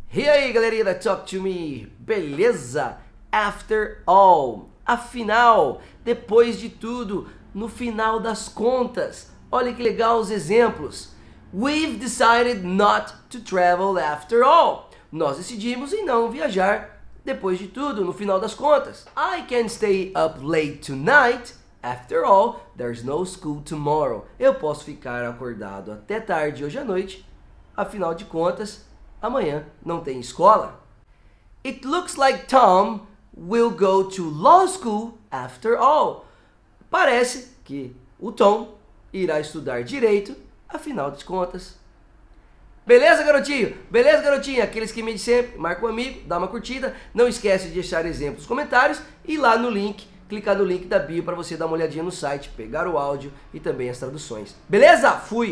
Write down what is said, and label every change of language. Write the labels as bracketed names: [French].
[Portuguese] E aí, galerinha da Talk To Me, beleza? [English] After all, [Portuguese] afinal, depois de tudo, no final das contas, olha que legal os exemplos. [English] We've decided not to travel after all. [Portuguese] Nós decidimos em não viajar depois de tudo, no final das contas. [English] I can stay up late tonight. After all, there's no school tomorrow. [Portuguese] Eu posso ficar acordado até tarde hoje à noite. Afinal de contas, amanhã não tem escola. [English] It looks like Tom will go to law school after all. [Portuguese] Parece que o Tom irá estudar direito, afinal de contas. Beleza, garotinho? Beleza, garotinha? Aqueles que me dizem sempre, marca um amigo, dá uma curtida. Não esquece de deixar exemplos, comentários e lá no link, clicar no link da bio para você dar uma olhadinha no site, pegar o áudio e também as traduções. Beleza? Fui!